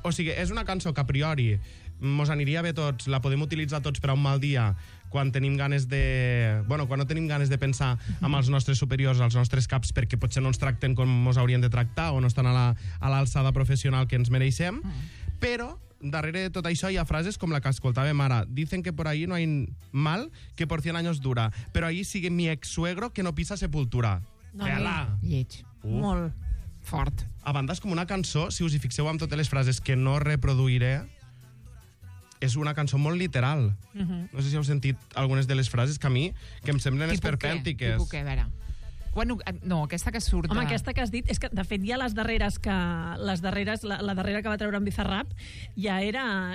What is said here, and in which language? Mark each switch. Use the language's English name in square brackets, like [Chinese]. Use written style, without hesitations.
[Catalan] O sigui, és una cançó que a priori mos aniria bé tots, la podem utilitzar tots per a un mal dia, quan tenim ganes de... Bueno, quan no tenim ganes de pensar amb els nostres superiors, els nostres caps, perquè potser no ens tracten com ens haurien de tractar o no estan a l'alçada professional que ens mereixem. Però, darrere de tot això, hi ha frases com la que escoltàvem ara. [Spanish] Dicen que por ahí no hay mal que por 100 años dura, pero ahí sigue mi ex-suegro que no pisa sepultura. [Catalan] No, lleig. Molt fort. A banda, és com una cançó, si us hi fixeu amb totes les frases que no reproduiré... És una cançó molt literal. No sé si heu sentit algunes de les frases que a mi, que em semblen esperpèntiques. Tipo què, a veure. Bueno, no, aquesta que surt... Home, aquesta que has dit, és que, de fet, ja les darreres que... Les darreres, la darrera que va treure en Bizarrap, ja era...